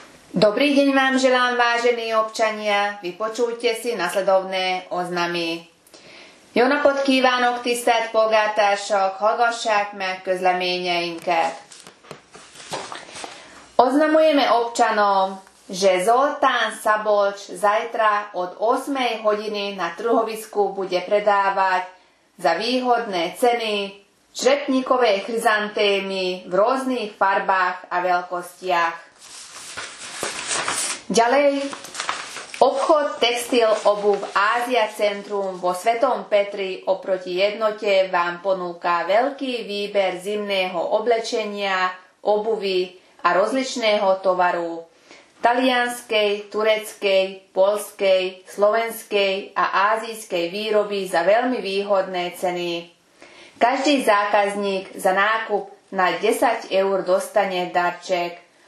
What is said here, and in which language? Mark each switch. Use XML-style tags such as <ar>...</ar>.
<sk>Dobrý deň vám želám, vážení občania. Vypočujte si nasledovné oznamy.</sk> <hu>Jónapot kívánok tisztelt polgártársak, hallgassák meg közleményeinket.</hu> <sk>Oznamujeme občanom, že Zoltán Szabolcs zajtra od 8. hodiny na trhovisku bude predávať za výhodné ceny črepníkové chryzantémy v rôznych farbách a veľkostiach. Ďalej, obchod textil obuv Ázia Centrum vo Svetom Petri oproti jednote vám ponúka veľký výber zimného oblečenia, obuvy a rozličného tovaru talianskej, tureckej, poľskej, slovenskej a ázijskej výroby za veľmi výhodné ceny. Každý zákazník za nákup na 10 eur dostane darček.</sk>